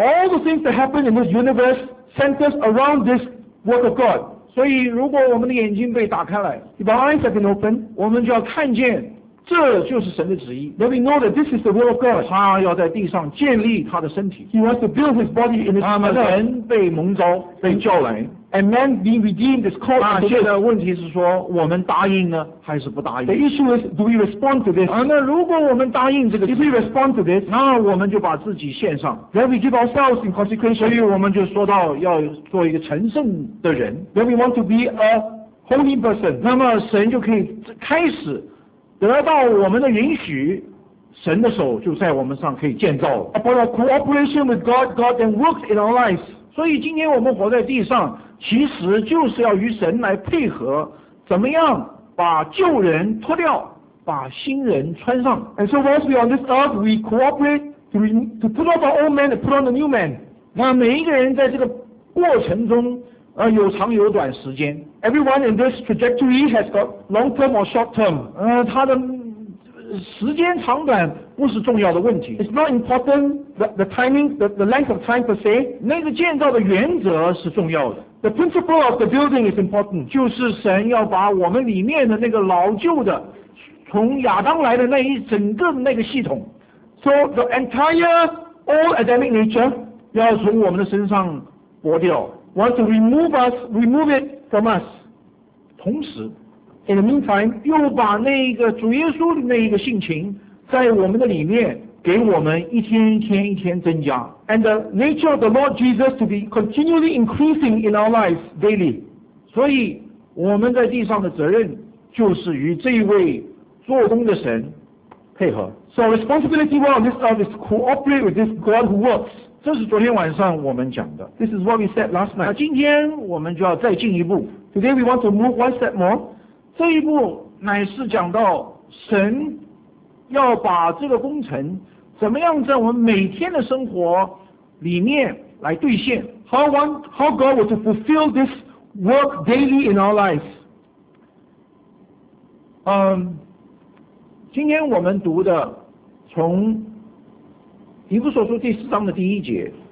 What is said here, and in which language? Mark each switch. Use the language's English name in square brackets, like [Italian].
[English] All the things that happen in this universe centers around this work of God. [Chinese] 所以如果我们的眼睛被打开来， [English] If our eyes have been opened, [Chinese] 我们就要看见这就是神的旨意。 [English] Then we know that this is the will of God. [Chinese] 他要在地上建立他的身体。 [English] He wants to build his body in his [Chinese] earth. 他们人被蒙召被叫来。 [English] And man being redeemed is called to this. [Chinese] 现在问题是说我们答应呢还是不答应。 [English] The issue is, do we respond to this? [Chinese] 那如果我们答应这个， [English] If we respond to this, [Chinese] 那我们就把自己献上。 [English] Then we give ourselves in consecration. [Chinese] 所以我们就说到要做一个成圣的人。 [English] Then we want to be a holy person. [Chinese] 那么神就可以开始得到我们的允许，神的手就在我们上可以建造。 [English] Upon our cooperation with God, God then works in our lives. [Chinese] 所以今天我们活在地上其实就是要与神来配合，怎么样把旧人脱掉，把新人穿上。 [English] And so once we are on this earth, we cooperate to put off our old man and put on the new man. [Chinese] 那每一个人在这个过程中有长有短时间。 [English] Everyone in this trajectory has got long term or short term. [Chinese] 他的时间长短不是重要的问题。 [English] It's not important the timing, the length of time per se. [Chinese] 那个建造的原则是重要的。 [English] The principle of the building is important. [Chinese] 就是神要把我们里面的那个老旧的，从亚当来的那一整个那个系统。 [English] So the entire old Adamic nature [Chinese] 要从我们的身上剥掉。 [English] Want to remove it from us. [Chinese] 同时 [English] ，in the meantime， [Chinese] 又把那个主耶稣的那一个性情在我们的里面给我们一天一天一天增加。 [English] And the nature of the Lord Jesus to be continually increasing in our lives daily. [Chinese] 所以我们在地上的责任就是与这一位做工的神配合。 [English] So responsibility we're on this earth is cooperate with this God who works. [Chinese] 这是昨天晚上我们讲的。 [English] This is what we said last night. [Chinese] 那今天我们就要再进一步。 [English] Today we want to move one step more. [Chinese] 这一步乃是讲到神要把这个工程怎么样在我们每天的生活里面来兑现。 [English] How God will to fulfill this work daily in our lives. [Chinese] 今天我们读的从以弗所书第四章的第一节。